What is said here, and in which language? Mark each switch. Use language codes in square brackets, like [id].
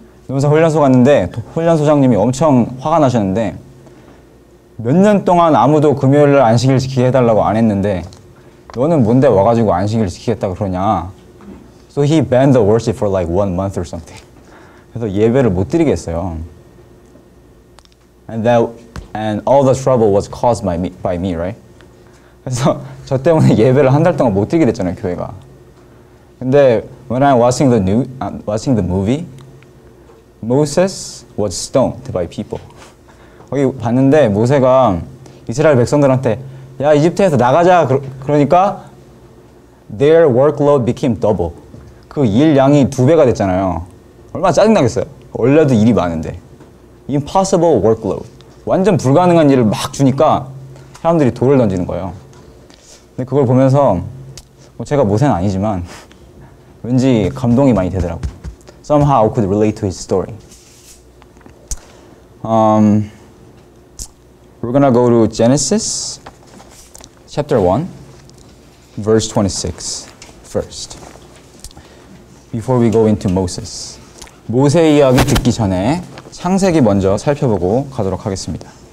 [ko] 논산 훈련소 갔는데 훈련소장님이 엄청 화가 나셨는데 몇 년 동안 아무도 금요일을 안식일 지키게 해달라고 안 했는데 너는 뭔데 와가지고 안식일 지키겠다 그러냐. [en] So he banned the worship for like 1 month or something. [ko] 그래서 예배를 못 드리겠어요. [en] And all the trouble was caused by me, right? [ko] 그래서 저 때문에 예배를 한 달 동안 못 드리게 됐잖아요, 교회가. [en] 근데 when I'm watching the movie, Moses was stoned by people. [ko] 거기 봤는데 모세가 이스라엘 백성들한테 야 이집트에서 나가자 그러니까 [en] their workload became double. [ko] 그 일량이 두 배가 됐잖아요. 얼마나 짜증나겠어요. 원래도 일이 많은데 [en] impossible workload, [ko] 완전 불가능한 일을 막 주니까 사람들이 돌을 던지는 거예요. 근데 그걸 보면서 뭐 제가 모세는 아니지만 왠지 감동이 많이 되더라고. [en] Somehow I could relate to his story. We're going to go to Genesis, chapter 1, verse 26, first. Before we go into Moses. [ko] 모세 이야기 듣기 전에 창세기 먼저 살펴보고 가도록 하겠습니다.